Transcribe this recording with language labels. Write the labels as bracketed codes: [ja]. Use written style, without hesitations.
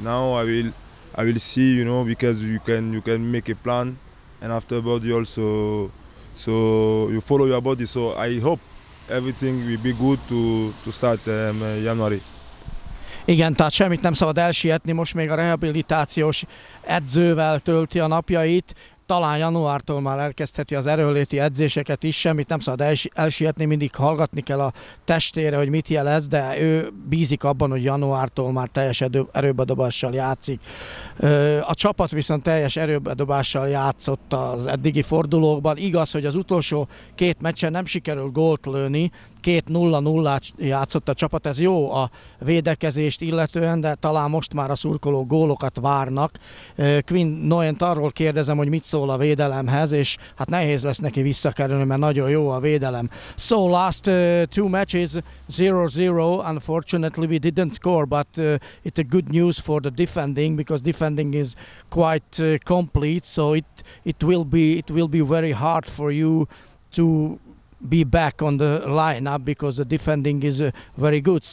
[en] Now I will see, you know, because you can make a plan and after body also, so you follow your body. So I hope everything will be good to start January. [hu] Igen, tehát semmit nem szabad elsietni, most még a rehabilitációs edzővel tölti a napjait. Talán januártól már elkezdheti az erőléti edzéseket is, semmit nem szabad elsietni, mindig hallgatni kell a testére, hogy mit jelez, de ő bízik abban, hogy januártól már teljes erőbedobással játszik. A csapat viszont teljes erőbedobással játszott az eddigi fordulókban. Igaz, hogy az utolsó 2 meccsen nem sikerül gólt lőni, 2-0-0-át játszott a csapat, ez jó a védekezést illetően, de talán most már a szurkoló gólokat várnak. Quinn Noent arról kérdezem, hogy mit szól a védelemhez, és hát nehéz lesz neki visszakerülni, mert nagyon jó a védelem. [en] So last 2 matches 0-0, unfortunately we didn't score, but it's a good news for the defending, because defending is quite complete, so it will be very hard for you to be back on the lineup because the defending is very good.